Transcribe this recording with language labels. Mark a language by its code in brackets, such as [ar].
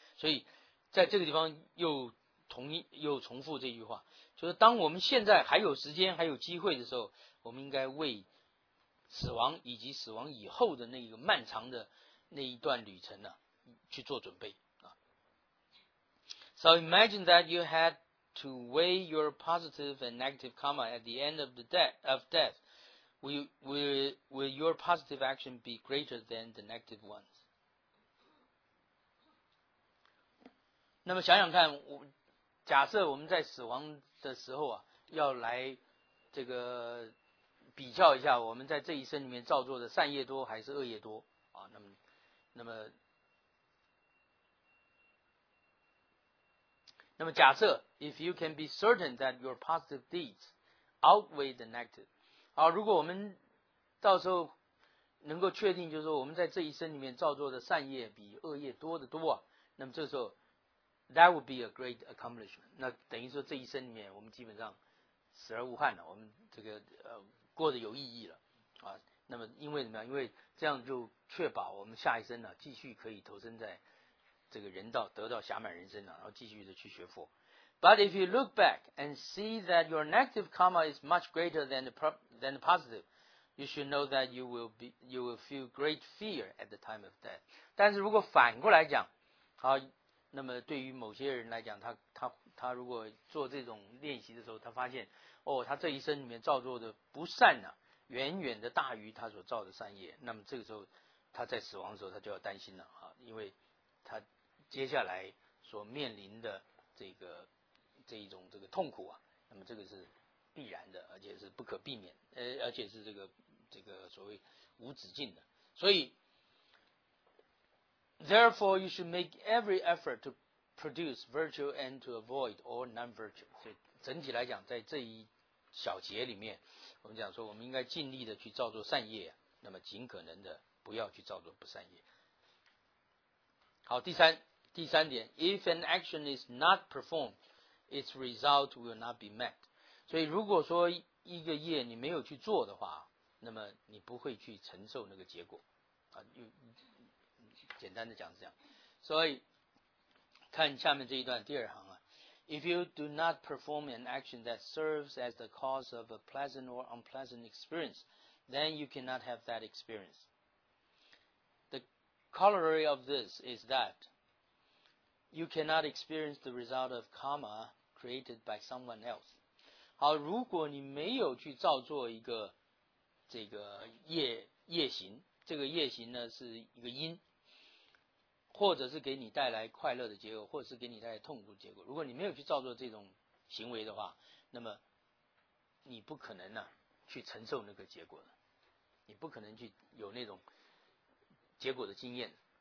[zh] 所以在这个地方又重复这句话，就是当我们现在还有时间还有机会的时候，我们应该为死亡以及死亡以后的那个漫长的那一段旅程呢、啊、去做准备啊。 [en] So imagine that you had to weigh your positive and negative karma at the end of death. Will your positive action be greater than the negative ones? [zh] 那么想想看，我假设我们在死亡的时候啊，要来这个比较一下我们在这一生里面造作的善业多还是恶业多啊？那么假设 [en] if you can be certain that your positive deeds outweigh the negative， [zh] 好，如果我们到时候能够确定就是说我们在这一生里面造作的善业比恶业多得多啊，那么这时候 [en] that would be a great accomplishment， [zh] 那等于说这一生里面我们基本上死而无憾了，我们这个过得有意义了啊。那么因为怎么样，因为这样就确保我们下一生呢、啊、继续可以投身在这个人道，得到暇满人生、啊、然后继续的去学佛。 [en] But if you look back and see that your negative karma is much greater than the positive, you should know that you will feel great fear at the time of death. [zh] 但是如果反过来讲啊，那么对于某些人来讲，他如果做这种练习的时候，他发现哦，他这一生里面造作的不善呢、啊，远远的大于他所造的善业。那么这个时候，他在死亡的时候，他就要担心了啊，因为他接下来所面临的这一种痛苦啊，那么这个是必然的，而且是不可避免，而且是这个所谓无止境的。 [en] 所以 ，therefore you should make every effort to produce virtue and to avoid all non-virtue。 [zh] 所以整体来讲，在这一小节里面，我们讲说，我们应该尽力的去造作善业，那么尽可能的不要去造作不善业。好，第三点 [en] ，if an action is not performed, its result will not be met。 [zh] 所以，如果说一个业你没有去做的话，那么你不会去承受那个结果。啊，简单的讲是这样。所以，看下面这一段第二行啊。 [en] If you do not perform an action that serves as the cause of a pleasant or unpleasant experience, then you cannot have that experience. The corollary of this is that you cannot experience the result of karma created by someone else. [zh] 好，如果你没有去造作一个这个业行，这个业行呢是一个因，或者是给你带来快乐的结果，或者是给你带来痛苦的结果。如果你没有去造作这种行为的话，那么你不可能呢去承受那个结果的，你不可能去有那种结果的经验。